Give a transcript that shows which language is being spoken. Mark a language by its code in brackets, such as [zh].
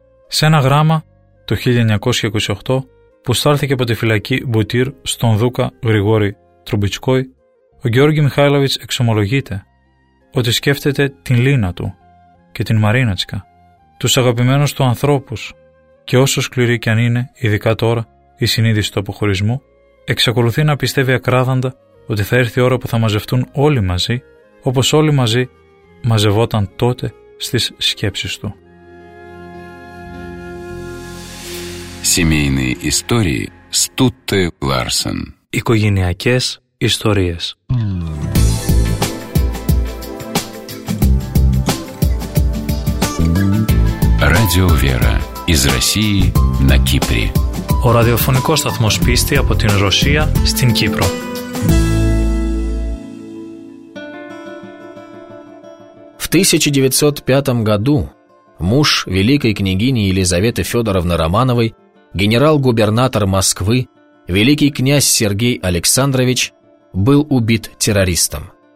[el] Σε ένα γράμμα το 1928 που στάλθηκε από τη φυλακή Μπουτήρ στον Δούκα Γρηγόρη Τρουμπιτσκόη, ο Γεώργη Μιχάηλοβιτς εξομολογείται ότι σκέφτεται την Λίνα του και την Μαρίνατσκα, τους αγαπημένους του ανθρώπους, και όσο σκληρή κι αν είναι, ειδικά τώρα, η συνείδηση του αποχωρισμού, εξακολουθεί να πιστεύει ακράδαντα ότι θα έρθει η ώρα που θα μαζευτούν όλοι μαζί, όπως όλοι μαζί μαζευόταν τότε στις σκέψεις του. [ru] Семейные истории Стутте Ларсен. [el] Οικογενειακές ιστορίες. [ru] Радио Вера из России на Кипре. [el] Ο ραδιοφωνικός σταθμός πίστη από την Ρωσία στην Κύπρο. [ru] В 1905 году муж великой княгини Елизаветы Федоровны Романовой, генерал-губернатор Москвы, великий князь Сергей Александрович, был убит террористом.